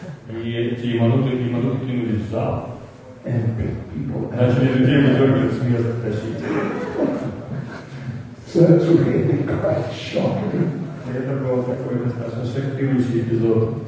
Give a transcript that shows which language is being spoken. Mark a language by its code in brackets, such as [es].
[ru] И эти Yamadutas кинулись в зал. [en] And people... [ru] Начали людей выдергивать смех тащить. [en] So it's really quite shocking. [ru] Это был такой достаточно шокирующий эпизод.